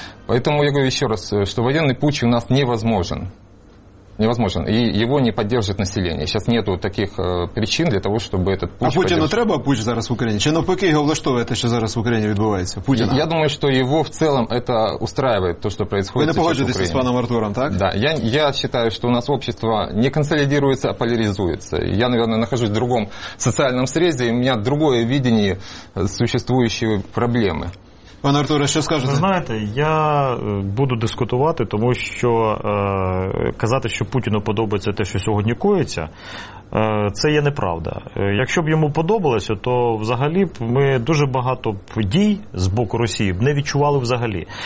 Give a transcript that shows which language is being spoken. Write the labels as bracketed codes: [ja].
[ru] Поэтому я говорю еще раз, что военный путч у нас невозможен. Невозможен. И его не поддержит население. Сейчас нету таких причин для того, чтобы этот путь [uk] поддерживать. А Путину треба путь зараз в Украине? Чи навпаки його влаштовує те, що зараз в Украине відбувається? [ru] Путина? Я думаю, что его в целом это устраивает, то, что происходит. [uk] Вы не погоджуетесь с паном Артуром, так? [ru] Да. Я считаю, что у нас общество не консолидируется, а поляризуется. Я, наверное, нахожусь в другом социальном срезе, и у меня другое видение существующей проблемы. [uk] Пане Артуре, що скажете? Ви знаєте, я буду дискутувати, тому що казати, що Путіну подобається те, що сьогодні коїться, це є неправда. Якщо б йому подобалося, то взагалі б ми дуже багато б дій з боку Росії б не відчували взагалі.